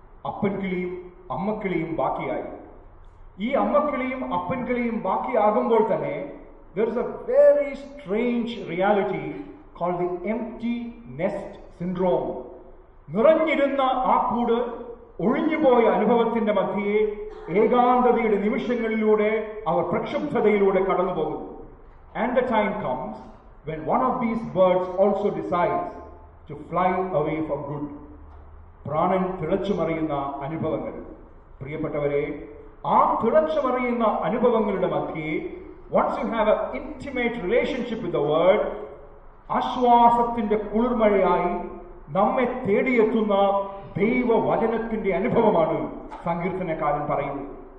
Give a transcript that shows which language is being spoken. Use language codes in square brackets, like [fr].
[ml] അപ്പൻകിളിയും അമ്മക്കിളിയും ബാക്കിയായി. ഈ അമ്മക്കിളിയും അപ്പൻകിളിയും ബാക്കിയാകുമ്പോൾ തന്നെ [en] there is a very strange reality called the empty nest syndrome. [ml] നിറഞ്ഞിരുന്ന ആ കൂട് ഒഴിഞ്ഞുപോയ അനുഭവത്തിന്റെ മധ്യയെ ഏകാന്തതയുടെ നിമിഷങ്ങളിലൂടെ അവർ പ്രക്ഷുബ്ധതയിലൂടെ കടന്നുപോകുന്നു. [en] And the time comes when one of these birds also decides to fly away for good. [ml] പ്രാണൻ തിളച്ചുമറിയുന്ന അനുഭവങ്ങൾ. പ്രിയപ്പെട്ടവരെ, ആ തിളച്ചുമറിയുന്ന അനുഭവങ്ങളുടെ മധ്യയെ [en] once you have an intimate relationship with the Word, [ml] ആശ്വാസത്തിന്റെ കുളിർമഴയായി നമ്മെ തേടിയെത്തുന്ന ദൈവവചനത്തിന്റെ അനുഭവമാണ് സങ്കീർത്തനക്കാരൻ പറയുന്നത്.